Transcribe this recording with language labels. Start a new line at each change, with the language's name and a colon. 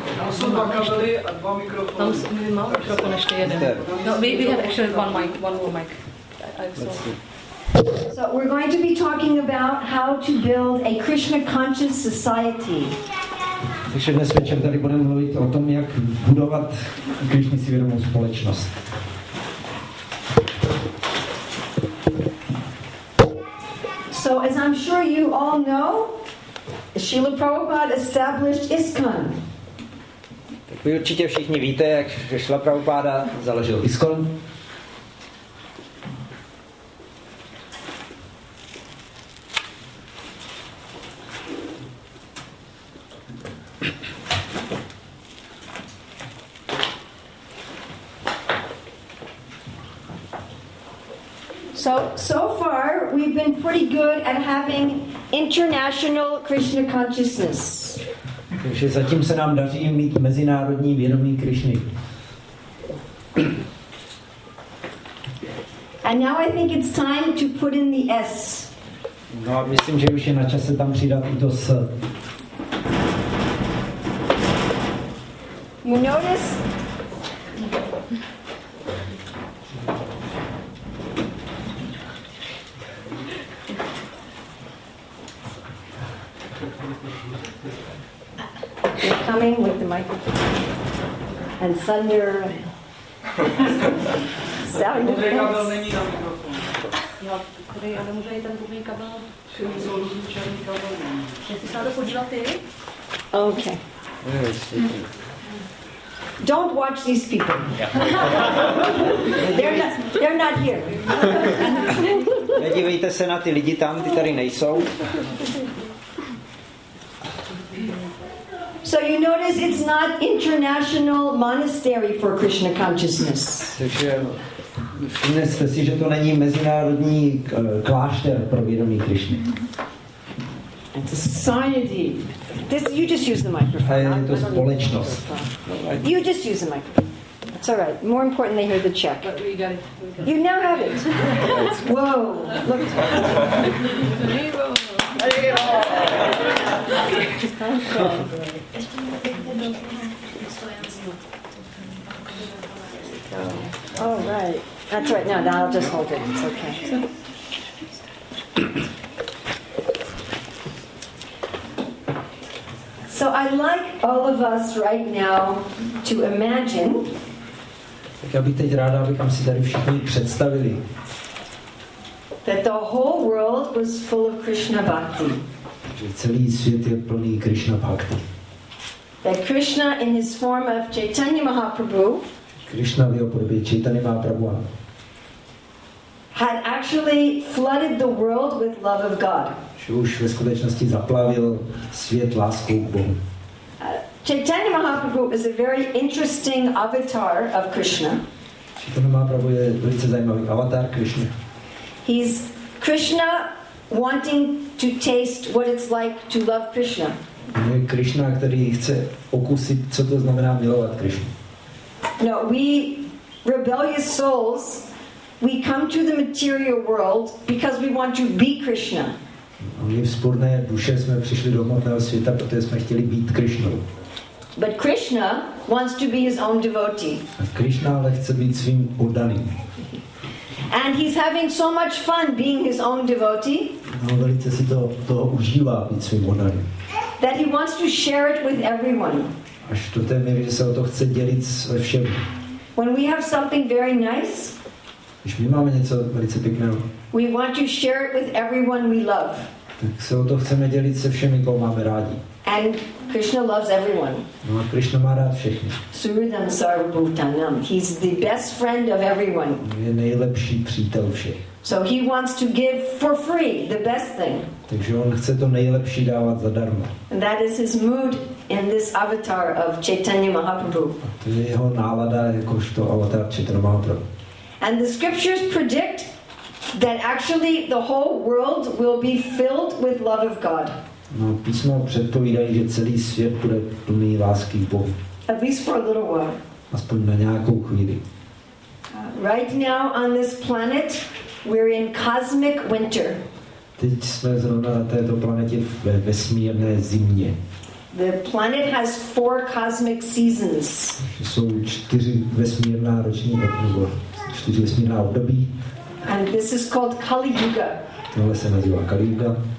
English: So we're going to be talking about how to build a Krishna conscious society.
Czech: Takže dnes večer tady budeme mluvit o tom, jak budovat Krišně si vědomou společnost.
English: So as I'm sure you all know, Srila Prabhupada established ISKCON.
Czech: Tak vy určitě všichni víte, jak Srila Prabhupada založil ISKCON.
English: So far, we've been pretty good at having international Krishna consciousness.
Czech: Takže zatím se nám daří mít mezinárodní vědomí Krišny.
English: And now I think it's time to put in the S.
Czech: No, myslím, že už je na čase tam přidat i to S.
English: You notice? And thunder sound effects. Okay. Don't watch these people. They're not here.
Czech: Nedívejte se na ty lidi tam, ty tady nejsou.
English: So you notice it's not international monastery for Krishna consciousness.
Czech: Takže všimněte si, že to není mezinárodní klášter pro vědomí Krišny.
English: It's a society.
Czech: Je to společnost.
English: You just use the microphone. It's all right. More important, they hear the check. We got it. You now have it. Whoa! Look. Oh, right. That's right. No, I'll just hold it. It's okay. So I'd like all of us right now to imagine.
Czech: Tak já bych teď ráda, abychom si tady všichni představili.
English: That the whole world was full of Krishna bhakti.
Czech: Že celý svět je plný Krishna bhakti.
English: That Krishna in his form of Chaitanya Mahaprabhu.
Czech: Krishna v jeho podobě Chaitanya Mahaprabhu.
English: Had actually flooded the world with love of God.
Czech: Že už ve skutečnosti zaplavil svět láskou k Bohu.
English: Chaitanya Mahaprabhu is a very interesting avatar of Krishna.
Czech: Chaitanya Mahaprabhu je velice zajímavý avatar Krishna.
English: He's Krishna wanting to taste what it's like to love Krishna.
Czech: Je Krishna, který chce okusit, co to znamená milovat Krishna.
English: No, we rebellious souls, we come to the material world because we want to be Krishna.
Czech: My vzpůrné duše jsme přišli do hmotného světa, protože jsme chtěli být Krishnou.
English: But Krishna wants to be his own devotee.
Czech: A Krishna ale chce být svým oddaným.
English: And he's having so much fun being his own devotee.
Czech: No, velice si to užívá být svým oddaným.
English: That he wants to share it with everyone.
Czech: Až do té míry, že se o to chce dělit se všemi.
English: When we have something very nice.
Czech: Když my máme něco velice pěkného.
English: We want to share it with everyone we love.
Czech: Tak se o to chceme dělit se všemi, koho máme rádi.
English: And Krishna loves everyone.
Czech: No a Krishna má rád všechny.
Sanskrit: Surudam sarvabhutanam.
English: He's the best friend of everyone.
Czech: On je nejlepší přítel všech.
English: So he wants to give for free the best thing.
Czech: Takže on chce to nejlepší dávat zadarmo.
English: And that is his mood in this avatar of Chaitanya Mahaprabhu.
Czech: To je jeho nálada jakožto avatar Chaitanya Mahaprabhu.
English: And the scriptures predict then actually the whole world will be filled with love of God.
Czech: No, písmo předpovídají, že celý svět bude plný lásky Boha.
English: At least for a little while.
Czech: Aspoň na nějakou chvíli.
English: Right now on this planet, we're in cosmic winter.
Czech: Teď jsme zrovna na této planetě ve vesmírné zimě.
English: The planet has four cosmic seasons.
Czech: Jsou čtyři vesmírná roční období. Čtyři vesmírná období.
English: And this is called Kali Yuga.
Czech: Tohle se nazývá Kali Yuga.